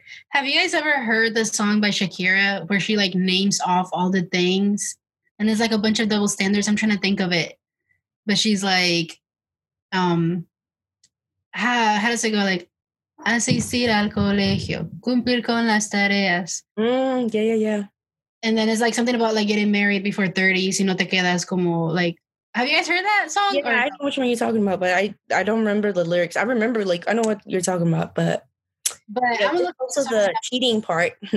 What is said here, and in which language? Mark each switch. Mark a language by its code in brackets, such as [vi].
[en] Have you guys ever heard the song by Shakira where she like names off all the things and there's like a bunch of double standards? I'm trying to think of it. But she's like, how does it go? Like, [es] asistir al colegio, cumplir con las tareas. [en] Yeah. And then it's like something about like getting married before 30. [es] Si no te quedas como, [en] like, have you guys heard that song? Yeah, I know which one you're talking about, but I don't remember the lyrics. I remember, like, I know what you're talking about, but. But yeah, I'm also the cheating part.